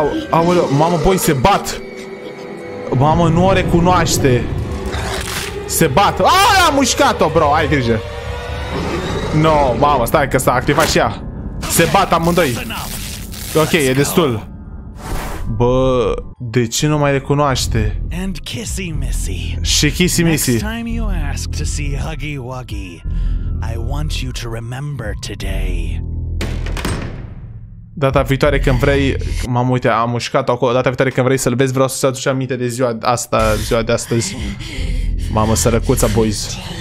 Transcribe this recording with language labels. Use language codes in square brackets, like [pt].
[ro] Aoleu, mamă, boi, se bat. Mamă, nu o recunoaște. Se bat. Aaaa, am mușcat-o, bro, ai grijă. No, mamă, stai că s-a activat și ea. Se bat amândoi. Ok, e destul. Bă, de ce nu mai recunoaște? [en] And Kissy Missy. [ro] Și Kissy Missy. [en] Next time you ask to see Huggy Wuggy, I want you to remember today. [ro] Data viitoare când vrei, mam, uite, am mușcat acolo. Data viitoare când vrei să-l vezi, vreau să-ți aduci aminte de ziua asta, ziua de astăzi. Mamă, sărăcuța, boys.